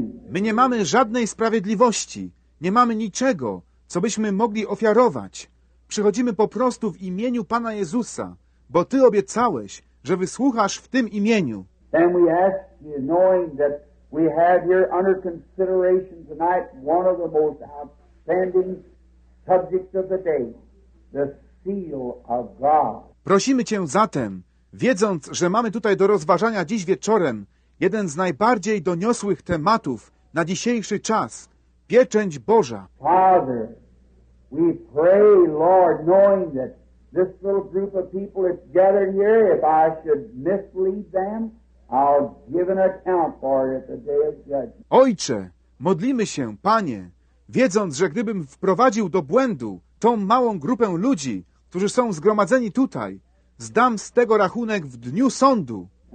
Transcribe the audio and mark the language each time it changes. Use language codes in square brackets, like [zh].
[pl] My nie mamy żadnej sprawiedliwości, nie mamy niczego, co byśmy mogli ofiarować. Przychodzimy po prostu w imieniu Pana Jezusa, bo Ty obiecałeś, że wysłuchasz w tym imieniu. [en] And we ask you, knowing that we have here under consideration tonight one of the most outstanding subjects of the day, the seal of God. [pl] Prosimy Cię zatem, Wiedząc, że mamy tutaj do rozważania dziś wieczorem jeden z najbardziej doniosłych tematów na dzisiejszy czas, pieczęć Boża. [en] Father, we pray, Lord, knowing that this little group of people is gathered here, if I should mislead them, I'll give an account for it at the day of judgment. [pl] Ojcze, modlimy się, Panie, wiedząc, że gdybym wprowadził do błędu tą małą grupę ludzi, którzy są zgromadzeni tutaj, zdam z tego rachunek w dniu sądu.